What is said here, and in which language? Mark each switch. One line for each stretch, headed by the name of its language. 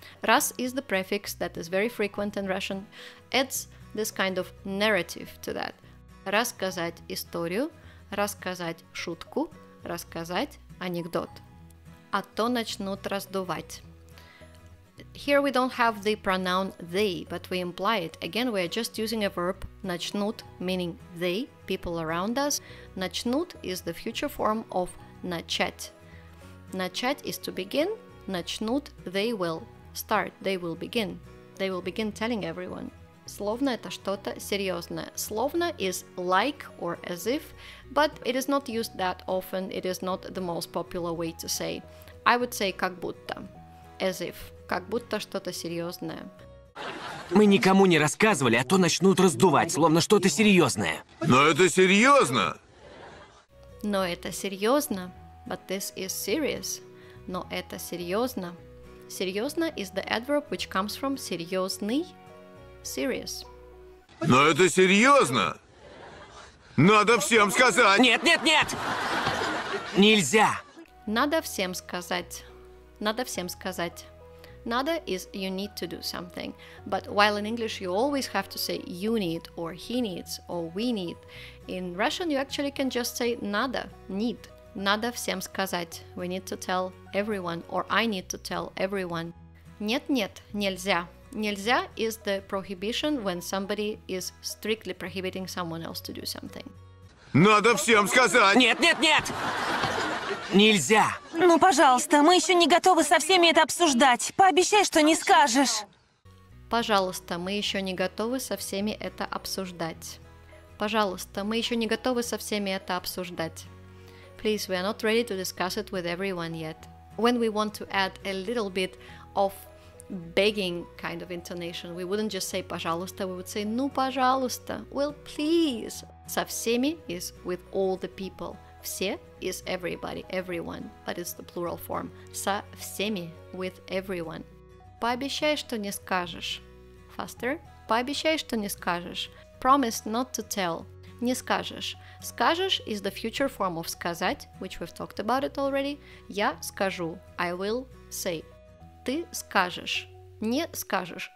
English: Раз is the prefix that is very frequent in Russian, adds this kind of narrative to that.
Russian: Рассказать историю, рассказать шутку, рассказать анекдот. А то начнут раздувать.
English: Here we don't have the pronoun they, but we imply it. Again, we are just using a verb начнут, meaning they, people around us. Начнут is the future form of начать. Начать is to begin. Начнут, they will start. They will begin. They will begin telling everyone.
Russian: Словно это что-то серьезное.
English: Словно is like or as if, but it is not used that often. It is not the most popular way to say. I would say
Russian: как будто.
English: As if.
Russian: Как будто что-то серьезное. Мы никому не рассказывали, а то начнут раздувать, словно что-то серьезное. Но это серьезно. Но это серьезно.
English: But this is serious.
Russian: Но это серьезно.
English: Серьезно is the adverb which comes from серьезный. Serious.
Russian: Но это серьезно. Надо всем сказать. Нет, нет, нет. Нельзя. Надо всем сказать. Надо всем сказать. Надо
English: is you need to do something. But while in English you always have to say you need or he needs or we need, in Russian you actually can just say надо, need.
Russian: Надо всем сказать.
English: We need to tell everyone or I need to tell everyone.
Russian: Нет, нет, нельзя.
English: Нельзя is the prohibition when somebody is strictly prohibiting someone else to do something.
Russian: Надо всем сказать. Нет, нет, нет. Нельзя. Ну, пожалуйста, мы еще не готовы со всеми это обсуждать. Пообещай, что не скажешь. Пожалуйста, мы еще не готовы со всеми это обсуждать. Пожалуйста, мы еще не готовы со всеми это обсуждать.
English: Please, we are not ready to discuss it with everyone yet. When we want to add a little bit of begging kind of intonation, we wouldn't just say пожалуйста, we would say
Russian: ну, пожалуйста.
English: Well, please. Со всеми is with all the people. Все is everybody, everyone, but it's the plural form.
Russian: Со всеми,
English: with everyone.
Russian: Пообещай, что не скажешь.
English: Faster.
Russian: Пообещай, что не скажешь.
English: Promise not to tell.
Russian: Не скажешь.
English: Скажешь is the future form of сказать, which we've talked about it already.
Russian: Я скажу.
English: I will say.
Russian: Ты скажешь. Не скажешь.